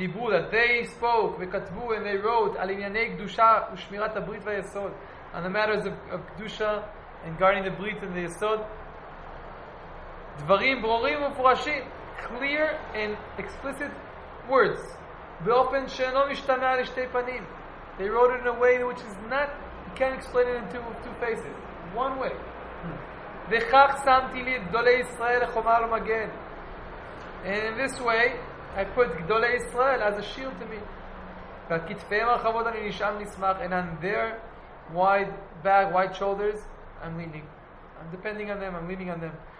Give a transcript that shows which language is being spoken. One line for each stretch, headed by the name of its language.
English: that they spoke, וכתבו, and they wrote
Hebrew: על ענייני קדושה ושמירת הברית והיסוד,
English: on the matters of קדושה and guarding the ברית and the יסוד,
Hebrew: דברים ברורים ומפורשים,
English: clear and explicit words,
Hebrew: באופן שאינו משתמע לשתי פנים.
English: They wrote it in a way which is not, you can't explain it in two faces, one way.
Hebrew: וכך שמתי לי גדולי ישראל לחומה ולמגן.
English: And in this way I put Gdole Israel as a shield to me. And on their wide back, wide shoulders, I'm leaning. I'm depending on them, I'm leaning on them.